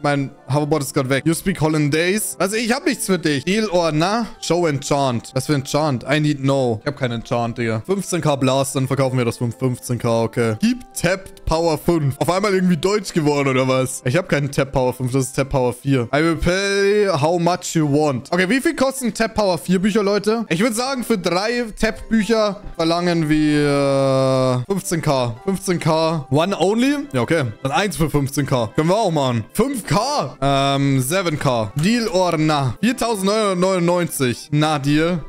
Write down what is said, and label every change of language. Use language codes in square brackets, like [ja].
[de] Mein Hoverboard ist gerade weg. [en] You speak Hollandaise? [de] Also, ich habe nichts für dich. [en] Deal or na? Show Enchant. [de] Was für Enchant? [en] I need no. [de] Ich habe keinen Enchant, Digga. 15k Blast, dann verkaufen wir das für 15k, okay. Gib Tap Power 5. Auf einmal irgendwie deutsch geworden, oder was? Ich habe keinen Tap Power 5, das ist Tap Power 4. [en] I will pay how much you want. [de] Okay, wie viel kosten Tap Power 4 Bücher, Leute? Ich würde sagen, für 3 Tap Bücher verlangen wir 15k. 15k. [en] One only? [de] Ja, okay. Dann 1 für 15k. Können wir auch machen. 5k? [en] 7k. Deal or na? 4.999. Na, Deal.